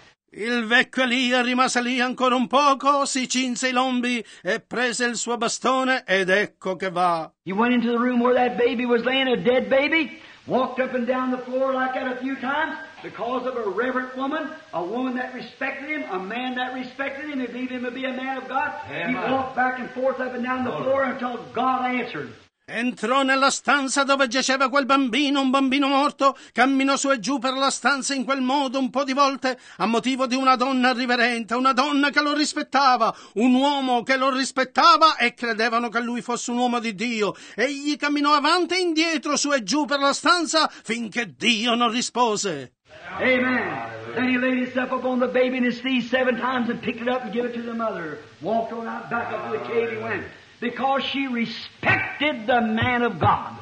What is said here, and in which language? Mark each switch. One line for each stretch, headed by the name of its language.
Italian: Il vecchio Elia rimase lì ancora un poco, si cinse i lombi e prese il suo bastone ed ecco che va.
English: He went into the room where that baby was laying, a dead baby, walked up and down the floor like that a few times because of a reverent woman, a woman that respected him, a man that respected him, and believed him to be a man of God. He walked back and forth up and down the floor until God answered.
Italian: Entrò nella stanza dove giaceva quel bambino, un bambino morto, camminò su e giù per la stanza in quel modo un po' di volte, a motivo di una donna riverente, una donna che lo rispettava, un uomo che lo rispettava e credevano che lui fosse un uomo di Dio. Egli camminò avanti e indietro, su e giù per la stanza, finché Dio non rispose.
English: Amen. Then he laid himself up on the baby in his knees 7 times and picked it up and gave it to the mother. Walked on out back up to the cave and went. Because she respected the man of God.